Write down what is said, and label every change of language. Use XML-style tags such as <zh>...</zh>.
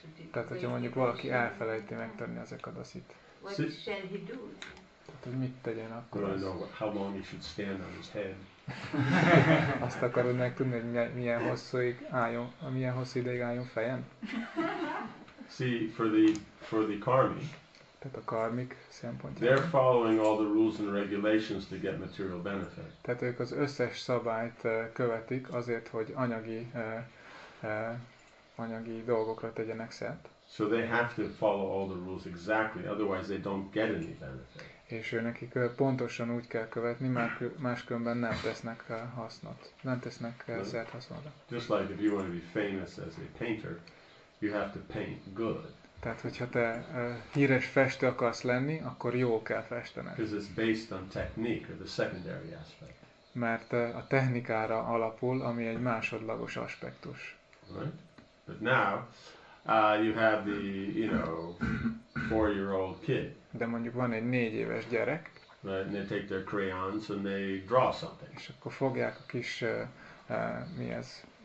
<hu>Tehát, hogyha mondjuk valaki elfelejti megtenni az Ekadasit.</hu> <en>What shall he do?</en> <hu>Tehát, hogy mit tegyen akkor?</hu> <en>Well, I know how long he should stand on his head.</en> <hu>Azt akarod megtudni, hogy milyen hosszúig álljon, milyen hosszú ideig álljon fejen?</hu> <en>See, for the karmic.</en> <hu>Tehát a karmik szempontjából.</hu> <en>They're following all the rules and regulations to get material benefit.</en> <hu>Tehát ők az összes szabályt követik azért, hogy anyagi dolgokra tegyenek szert.</hu> <en>So they have to follow all the rules exactly, otherwise they don't get any benefit.</en> <hu>És ő nekik pontosan úgy kell követni, mert máskülönben nem tesznek hasznot, nem tesznek szert hasznodra.</hu> <en>Just like if you want to be famous as a painter, you have to paint good.</en> <hu>Tehát, hogyha te híres festő akarsz lenni, akkor jól kell festened.</hu> <en>Because it's based on technique, or the secondary aspect.</en> <hu>Mert a technikára alapul, ami egy másodlagos aspektus.</hu> <en>Right? But now, you have the, you know, four-year-old kid.</en> <hu>De mondjuk van egy 4 éves gyerek.</hu> <en>Right, and they take their crayons and they draw something.</en> <hu>És akkor fogják a kis, mi ez?</hu>